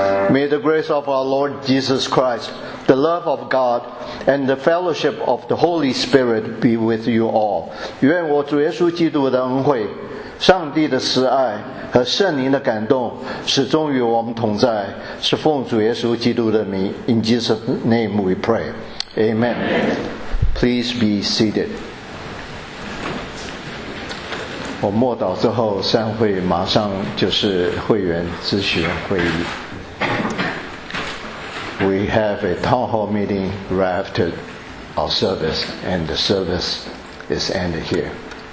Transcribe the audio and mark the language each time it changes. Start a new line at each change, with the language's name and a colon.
English: May the grace of our Lord Jesus Christ, the love of God, and the fellowship of the Holy Spirit be with you all.
Chinese: 愿我主耶稣基督的恩惠，上帝的慈爱和圣灵的感动始终与我们同在，是奉主耶稣基督的名。
English: In Jesus' name we pray. Amen. Please be seated.
Chinese: 我默祷之后，散会马上就是会员咨询会议。
English: We have a town hall meeting right after our service, and the service is ended here.